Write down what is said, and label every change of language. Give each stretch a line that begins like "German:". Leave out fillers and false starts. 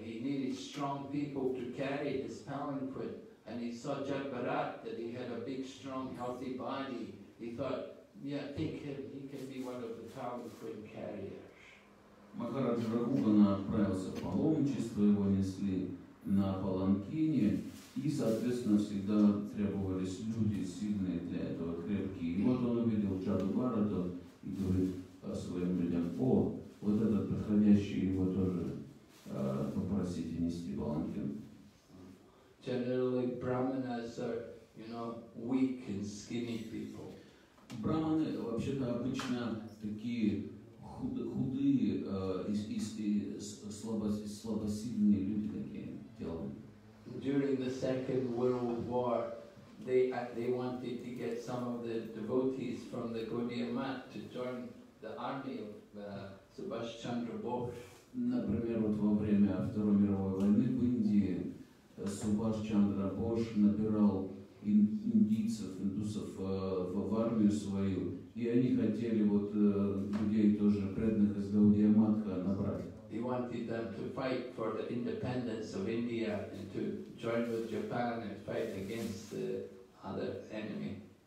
English: He needed strong people to carry his palanquin. And he saw Jagbarat, that he had a big, strong, healthy body. He thought, yeah, take him, he can be one of the palanquin carriers.
Russian: Махарадж Рахугана отправился в паломничество, его несли на паланкине, и, соответственно, всегда требовались люди сильные для этого, крепкие. И вот он увидел Джаду Барата и говорит о своем людям, о, вот этот подходящий, его тоже попросите нести паланкин.
English: Generally, brahmanas are, you know, weak and skinny people.
Russian: Брахманы вообще-то обычно такие худые и слабосильные люди такие телом.
English: During the Second World War, they wanted to get some of the devotees from the Gaudiya Math to join the army of Subhash Chandra Bose.
Russian: Например, вот во время Второй мировой войны в Индии Субаш Чандра Бош набирал индийцев, индусов в армию свою, и они хотели вот людей тоже преданных из Гаудия Матха набрать.
English: He wanted them to fight for the independence of India and to join with Japan and fight against the other enemy.